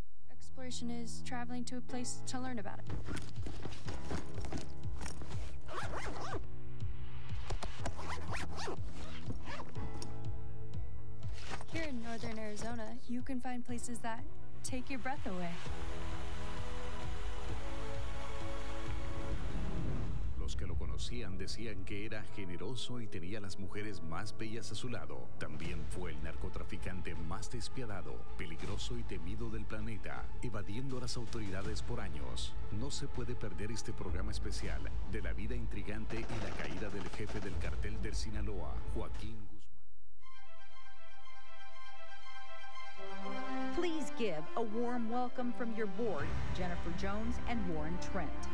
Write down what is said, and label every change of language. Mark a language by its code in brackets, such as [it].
[en] Exploration is traveling to a place to learn about it. Here in Northern Arizona, you can find places that take your breath away. [es] Que lo conocían decían que era generoso y tenía las mujeres más bellas a su lado. También fue el narcotraficante más despiadado, peligroso y temido del planeta, evadiendo a las autoridades por años. No se puede perder este programa especial de la vida intrigante y la caída del jefe del cartel del Sinaloa, Joaquín Guzmán. [en] Please give a warm welcome from your board, Jennifer Jones and Warren Trent.